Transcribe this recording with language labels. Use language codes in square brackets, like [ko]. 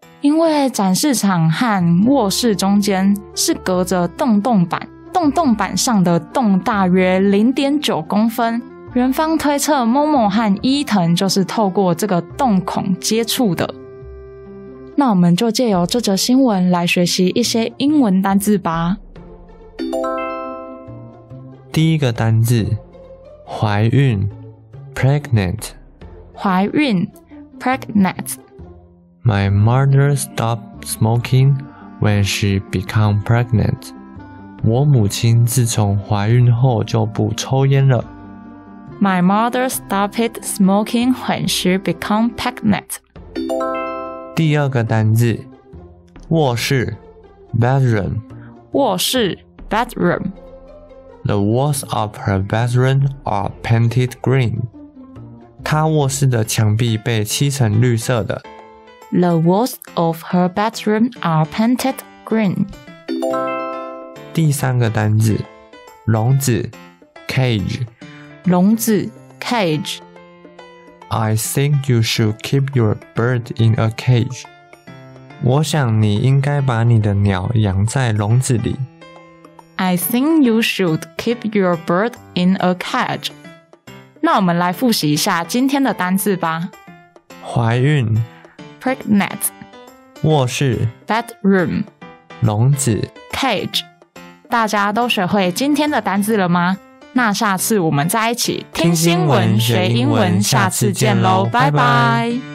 [zh] 因为展示场和卧室中间是隔着洞洞板，洞洞板上的洞大约 0.9 公分，园方推测 Momo 和伊藤就是透过这个洞孔接触的。那我们就借由这则新闻来学习一些英文单字吧。第一个单字，怀孕 pregnant，怀孕 pregnant。 [en] My mother stopped smoking when she became pregnant. [zh] 我母亲自从怀孕后就不抽烟了。 [en] My mother stopped smoking when she became pregnant. [zh] 第二个单字，卧室 ，bedroom. 卧室 ，bedroom. [en] The walls of her bedroom are painted green. [zh] 她卧室的墙壁被漆成绿色的。 [en] The walls of her bedroom are painted green. [zh] 第三个单字，笼子 cage. 笼子 cage. [en] I think you should keep your bird in a cage. [zh] 我想你应该把你的鸟养在笼子里。 [en] I think you should keep your bird in a cage. [zh] 那我们来复习一下今天的单字吧。怀孕 [en] Pregnant [zh] 卧室 [en] Bedroom [zh] 笼子 Cage 大家都学会今天的单字了吗？那下次我们再一起听新闻学英文，下次见咯，拜拜。